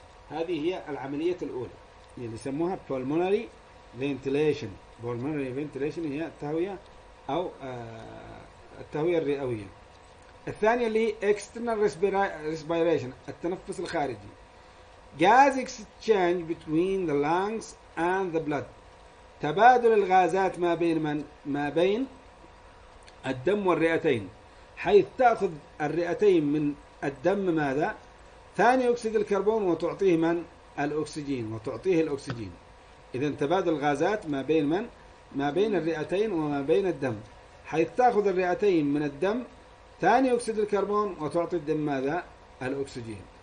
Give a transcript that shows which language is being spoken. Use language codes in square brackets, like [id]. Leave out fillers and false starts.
[ar] هذه هي العملية الأولى اللي يسموها pulmonary ventilation. pulmonary ventilation هي التهوية أو التهوية الرئوية. الثانية اللي هي external respiration التنفس الخارجي. [en] Gas exchange between the lungs and the blood. [ar] تبادل الغازات ما بين من؟ ما بين الدم والرئتين، حيث تأخذ الرئتين من الدم ماذا؟ ثاني أكسيد الكربون وتعطيه من؟ الأكسجين وتعطيه الأكسجين. إذن تبادل الغازات ما بين من؟ ما بين الرئتين وما بين الدم، حيث تأخذ الرئتين من الدم ثاني أكسيد الكربون وتعطي الدم ماذا؟ الأكسجين.